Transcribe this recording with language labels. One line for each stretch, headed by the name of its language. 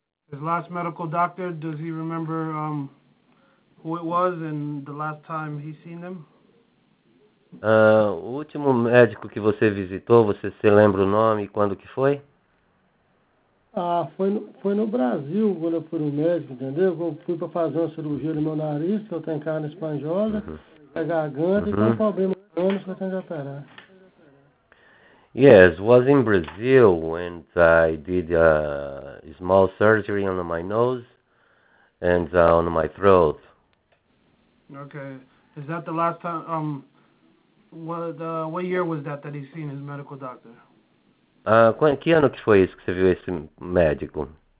English: His last medical doctor, does he remember who it was and the last time he seen them?
Portuguese: O último médico que você visitou, você se lembra o nome e quando que foi? Ah, foi no Brasil quando eu fui no médico, entendeu? Eu fui para fazer uma cirurgia no meu nariz, que eu tenho carne esponjosa, é garganta e tem um problema de ânus que eu tenho que operar.
English: Yes, was in Brazil and I did a small surgery on my nose and on my throat. Okay. Is that the last time? What year was that he seen his medical doctor?
Portuguese: Que ano que foi isso que você viu esse médico?